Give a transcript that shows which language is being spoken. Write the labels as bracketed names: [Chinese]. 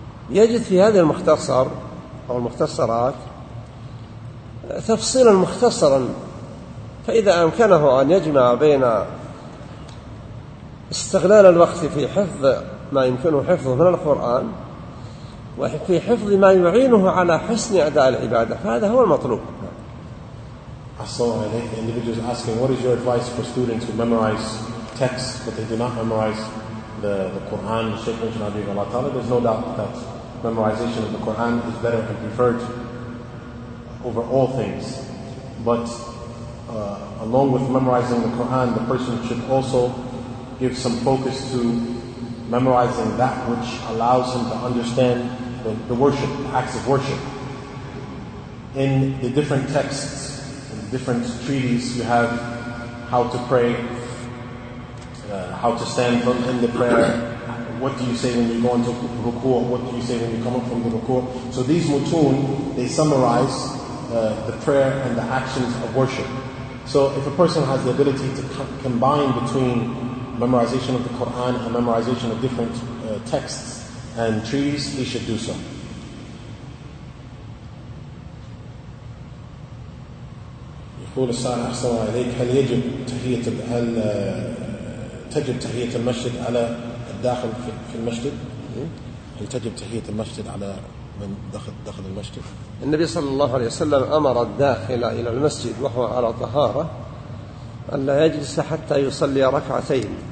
[Arabic] يجد في هذا المختصر أو المختصرات تفصيلا مختصرا، فإذا أمكنه أن يجمع بين استغلال الوقت في حفظ ما يمكنه حفظه من القرآن وفي حفظ ما يعينه على حسن أداء العبادة، فهذا هو المطلوب. Assalamu alaikum. [English] Individuals asking, what is your advice for students who memorize texts but they do not memorize the Quran? Shaykh mentioned Habib Allah Ta'ala, there's no doubt that memorization of the Quran is better and preferred over all things. But along with memorizing the Quran, the person should also give some focus to memorizing that which allows him to understand the worship, the acts of worship. In the different texts, in the different treaties, you have how to pray, how to stand in the prayer, what do you say when you go into ruku, what do you say when you come up from the ruku. So these mutun, they summarize the prayer and the actions of worship. So if a person has the ability to combine between memorization of the Quran and memorization of different texts and treaties, he should do so. [Arabic] يقول السائل أحسن الله إليك هل يجب تحية هل تجب تحية المسجد على الداخل في المسجد؟ هل تجب تحية المسجد على من دخل المسجد؟ النبي صلى الله عليه وسلم أمر الداخل إلى المسجد وهو على طهارة أن لا يجلس حتى يصلي ركعتين.